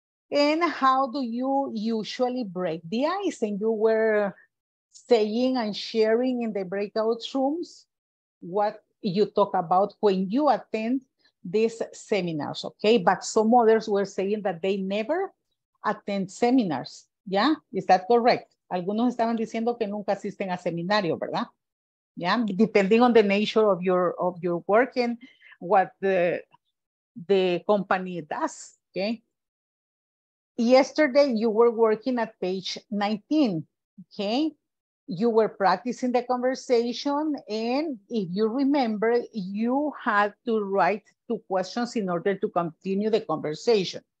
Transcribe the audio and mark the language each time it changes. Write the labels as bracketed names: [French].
[English] And how do you usually break the ice? And you were saying and sharing in the breakout rooms what you talk about when you attend these seminars, okay? But some others were saying that they never attend seminars, yeah? Is that correct? [Spanish] Algunos estaban diciendo que nunca asisten a seminario, ¿verdad? [English] Yeah, depending on the nature of your work and what the company does, okay? Yesterday, you were working at page 19, okay? You were practicing the conversation, and if you remember, you had to write two questions in order to continue the conversation.